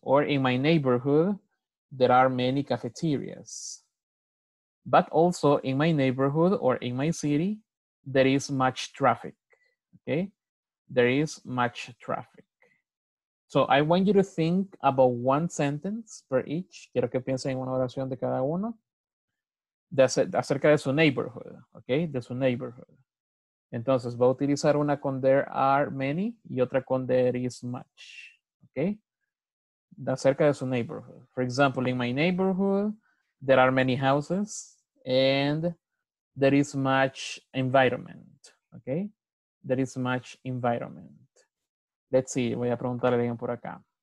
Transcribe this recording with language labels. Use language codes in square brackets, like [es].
[en] Or in my neighborhood, there are many cafeterias. But also in my neighborhood or in my city, there is much traffic, okay? There is much traffic. So I want you to think about one sentence per each. [es] Quiero que piensen en una oración de cada uno. De acerca de su neighborhood, okay? De su neighborhood. Entonces, voy a utilizar una con [en] there are many [es] y otra con [en] there is much, [es] okay? De acerca de su neighborhood. [en] For example, in my neighborhood, there are many houses and there is much environment, okay? There is much environment. Let's see, [es] voy a preguntarle a alguien por acá.